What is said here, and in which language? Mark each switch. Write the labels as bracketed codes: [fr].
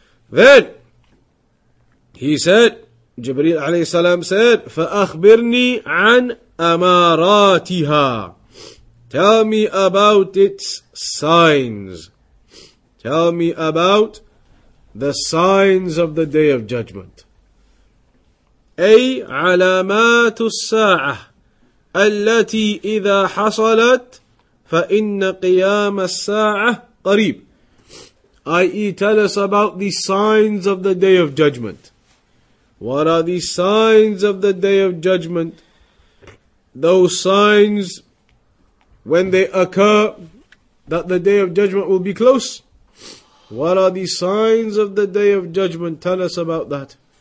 [en] Then, he said, Jibreel alayhi salam said, [ar] فَأَخْبِرْنِي عَنْ أَمَارَاتِهَا, [en] tell me about its signs. Tell me about the signs of the day of judgment. [ar] أي علامات الساعة التي إذا حصلت فإن قيام الساعة قريب, [en] i.e. tell us about the signs of the day of judgment. What are the signs of the day of judgment? Those signs, when they occur, that the day of judgment will be close. What are the signs of the day of judgment? Tell us about that.